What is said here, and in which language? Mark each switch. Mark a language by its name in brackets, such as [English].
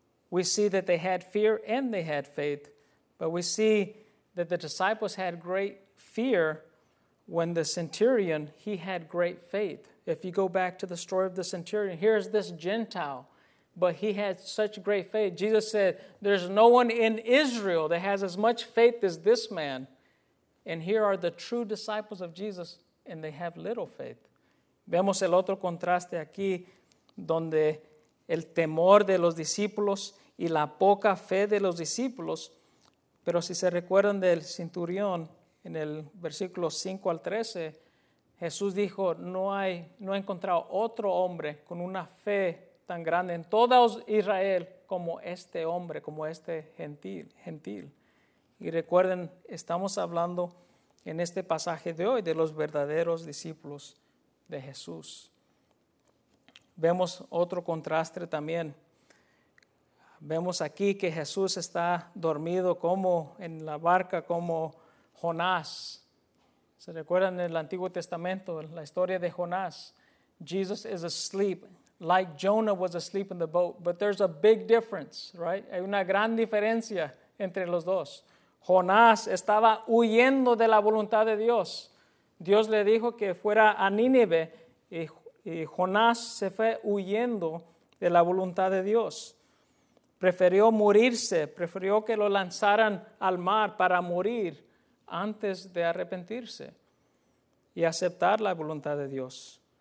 [English] We see that they had fear and they had faith. But we see that the disciples had great fear when the centurion, he had great faith. If you go back to the story of the centurion, here's this Gentile, but he had such great faith. Jesus said, there's no one in Israel that has as much faith as this man. And here are the true disciples of Jesus, and they have little faith. [Spanish] Vemos el otro contraste aquí, donde el temor de los discípulos y la poca fe de los discípulos. Pero si se recuerdan del centurión, en el versículo 5 al 13, Jesús dijo, no he encontrado otro hombre con una fe tan grande en toda Israel como este hombre, como este gentil. Y recuerden, estamos hablando en este pasaje de hoy de los verdaderos discípulos de Jesús. Vemos otro contraste también. Vemos aquí que Jesús está dormido como en la barca, como Jonás. ¿Se recuerdan en el Antiguo Testamento la historia de Jonás? [English] Jesus is asleep, like Jonah was asleep in the boat. But there's a big difference, right? [Spanish] Hay una gran diferencia entre los dos. Jonás estaba huyendo de la voluntad de Dios. Dios le dijo que fuera a Nínive y Jonás se fue huyendo de la voluntad de Dios. Prefirió morirse, prefirió que lo lanzaran al mar para morir antes de arrepentirse y aceptar la voluntad de Dios.